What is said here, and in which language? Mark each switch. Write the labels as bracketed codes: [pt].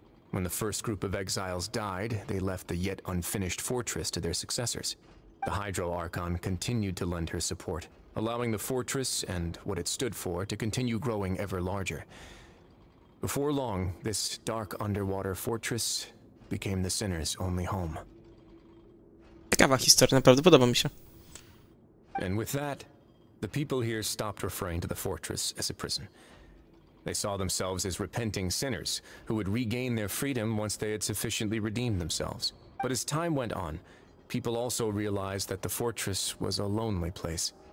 [en] When the first group of exiles died, they left the yet unfinished fortress to their successors. The Hydro Archon continued to lend her support, allowing the fortress and what it stood for to continue growing ever larger. Before long, this dark underwater fortress became the sinner's only home. [pl] Ciekawa historia, naprawdę podoba mi się. [en] And with that, the people here stopped referring to the fortress as a prison. They saw themselves as repenting sinners, who would regain their freedom once they had sufficiently redeemed themselves. But as time went on, people also realized that the fortress was a lonely place.